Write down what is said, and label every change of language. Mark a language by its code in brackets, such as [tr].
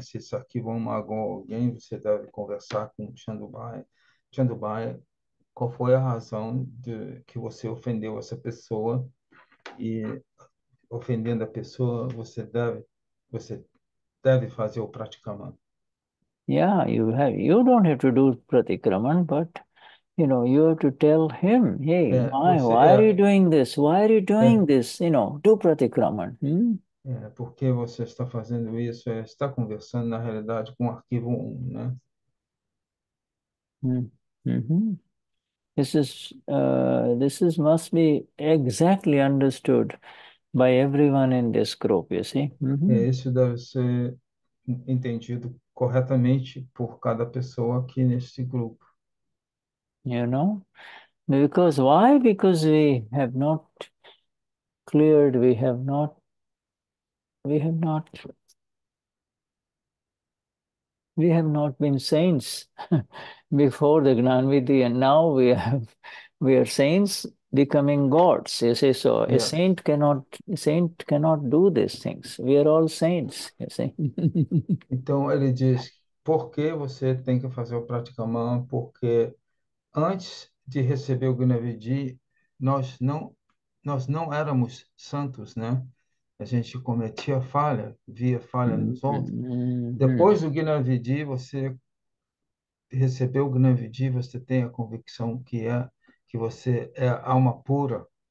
[pt] Se esse arquivo 1 magoou alguém, você deve conversar com Chandubai. Chandubai, qual foi a razão de que você ofendeu essa pessoa? E, ofendendo a pessoa, você deve fazer o pratikraman. [en] Yeah, you don't have to do pratikraman, but you know, you have to tell him, hey, why are you doing this? Why are you doing this? You know, do pratikraman. [pt] Porque você está fazendo isso, está conversando na realidade com o arquivo 1, né? [en] This must be exactly understood by everyone in this group, you see? [pt] Isso deve ser entendido corretamente por cada pessoa aqui neste grupo. [en] You know, because why? Because we have not been saints before the Gnanvidhi, and now we are saints becoming gods. You see, so a saint cannot do these things. We are all saints. You see. [pt] Então ele diz, por que você tem que fazer o pratikraman? Porque antes de receber o Gnavidi, nós não éramos santos, né? A gente cometia falha, via falha nos outros. Depois do Gnavidi, você recebeu o Gnavidi, você tem a convicção que você é alma pura.